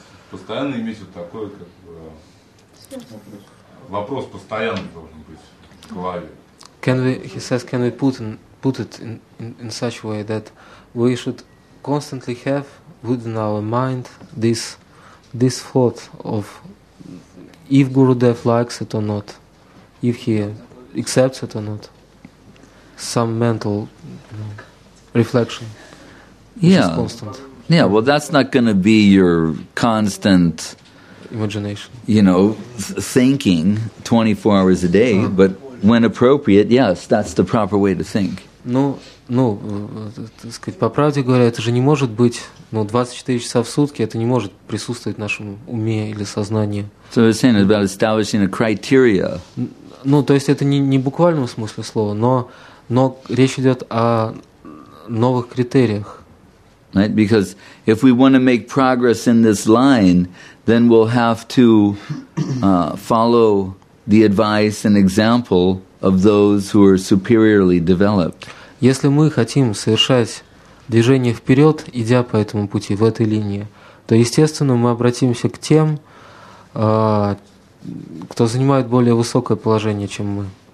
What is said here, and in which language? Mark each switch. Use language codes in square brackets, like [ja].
[ru] Постоянно иметь вот такой как, вопрос постоянно должен быть в голове. [en] Can we, he says, can we put in, put it in such way that we should constantly have within our mind this thought of if Gurudev likes it or not, if he accepts it or not, some mental reflection, which is constant. Yeah, well, that's not going to be your constant imagination, you know, thinking 24 hours a day, but when appropriate, yes, that's the proper way to think. [ru] Ну, так сказать, по правде говоря, это же не может быть, ну, 24 часа в сутки, это не может присутствовать в нашем уме или сознании. [en] So you're saying it's about establishing a criteria. [ru] Ну, то есть это не в буквальном смысле слова, но речь идет о новых критериях. [en] Right? Because if we want to make progress in this line, then we'll have to follow the advice and example of those who are superiorly developed. [ru] Если мы хотим совершать движение вперед, идя по этому пути, в этой линии, то, естественно, мы обратимся к тем, кто занимает более высокое положение, чем мы.